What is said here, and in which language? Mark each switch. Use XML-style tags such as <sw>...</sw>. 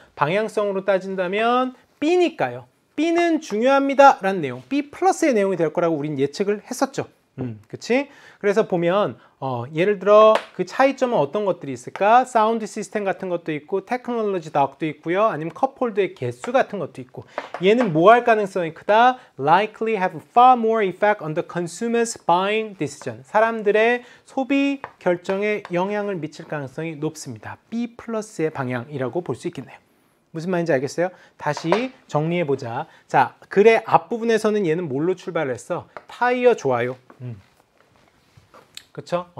<ko>방향성으로 따진다면 B니까요. B는 중요합니다 라는 내용. B 플러스의 내용이 될 거라고 우린 예측을 했었죠. 그치? 그래서 보면 예를 들어 그 차이점은 어떤 것들이 있을까? 사운드 시스템 같은 것도 있고 테크놀로지 덕도 있고요. 아니면 컵홀더의 개수 같은 것도 있고. 얘는 뭐 할 가능성이 크다?</ko> <en>Likely have far more effect on the consumer's buying decision.</en> <ko>사람들의 소비 결정에 영향을 미칠 가능성이 높습니다. B 플러스의 방향이라고 볼 수 있겠네요. 무슨 말인지 알겠어요? 다시 정리해보자. 자, 글의 앞부분에서는 얘는 뭘로 출발을 했어? 타이어 좋아요. 그쵸?</ko>